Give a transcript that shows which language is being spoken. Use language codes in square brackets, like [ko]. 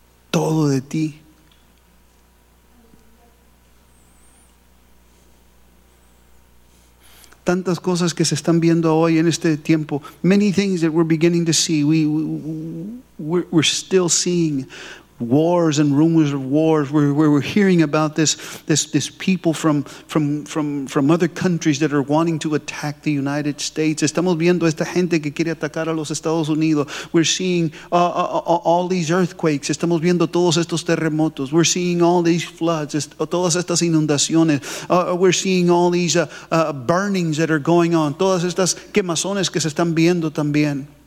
[es] Todo de ti. Tantas cosas que se están viendo hoy en este tiempo. [en] Many things that we're beginning to see. We're still seeing wars and rumors of wars. We're hearing about this people from other countries that are wanting to attack the United States. [es] Estamos viendo esta gente que quiere atacar a los Estados Unidos. [en] We're seeing all these earthquakes. [es] Estamos viendo todos estos terremotos. [en] We're seeing all these floods. [es] Todas estas inundaciones. [en] We're seeing all these burnings that are going on. [es] Todas estas quemazones que se están viendo también.